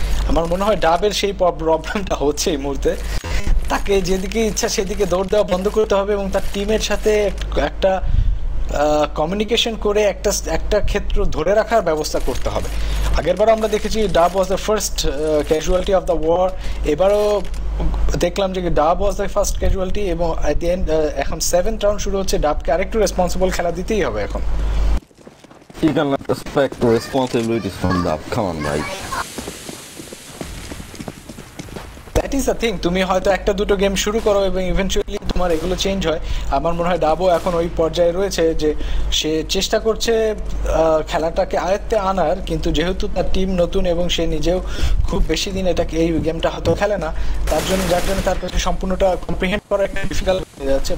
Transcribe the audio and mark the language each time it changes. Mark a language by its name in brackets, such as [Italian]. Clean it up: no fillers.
[Bangla] আমার মনে হয় ডাবের সেই প্রবলেমটা হচ্ছে এই মুহূর্তে, তাকে যেদিকে ইচ্ছা সেদিকে দৌড় দেওয়া বন্ধ করতে হবে এবং তার টিমের সাথে একটা কমিউনিকেশন করে একটা একটা ক্ষেত্র ধরে রাখার ব্যবস্থা করতে হবে। আগেরবারও আমরা দেখেছি ডাব [English] was the first casualty of the war, [Bangla] এবারও দেখলাম যে ডাব ওয়াজ দ্য ফার্স্ট ক্যাজুয়ালিটি এবং অ্যাট দি এন্ড এখন সেভেন্থ রাউন্ড শুরু হচ্ছে, ডাবকে আরেকটু রেসপন্সিবল খেলা দিতেই হবে এখন। [English] You cannot expect the responsibilities from Dab, come on bhai. That is the thing, [Bangla] তুমি হয়তো একটা দুটো গেম শুরু করো এবং ইভেনচুয়ালি তোমার এগুলো চেঞ্জ হয়। আমার মনে হয় ডাবও এখন ওই পর্যায়ে রয়েছে যে সে চেষ্টা করছে খেলাটাকে আয়ত্তে আনার, কিন্তু যেহেতু তার টিম নতুন এবং সে নিজেও খুব বেশি দিন এটাকে এই গেমটা হয়তো খেলে না, তার জন্য যার জন্য তার কাছে সম্পূর্ণটা কম্প্রিহেন্ড করা একটু ডিফিকাল্ট হয়ে যাচ্ছে।